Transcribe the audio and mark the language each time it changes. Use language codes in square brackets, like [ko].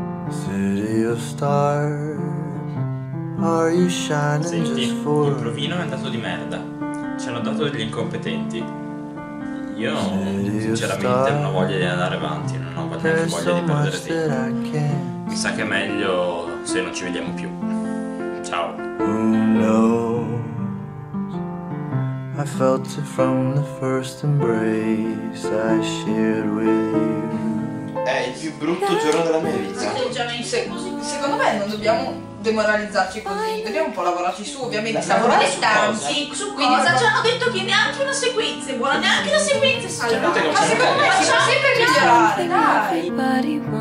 [en] City of stars, are you shining? [it] Senti, [en] just for [it] il provino è andato di merda. Ci hanno dato degli incompetenti. Io sinceramente non ho voglia di andare avanti, non ho voglia di perdere tempo. Mi sa che è meglio se non ci vediamo più. Ciao. [en] Who knows? I felt it from the first embrace I shared with you. [it] È il più brutto giorno della mia vita. Secondo me non dobbiamo demoralizzarci così, dobbiamo un po' lavorarci su, ovviamente siamo dilettanti, quindi ci hanno detto che neanche una sequenza è buona, neanche una sequenza è salvata, ma secondo me ci fa sempre migliorare, dai.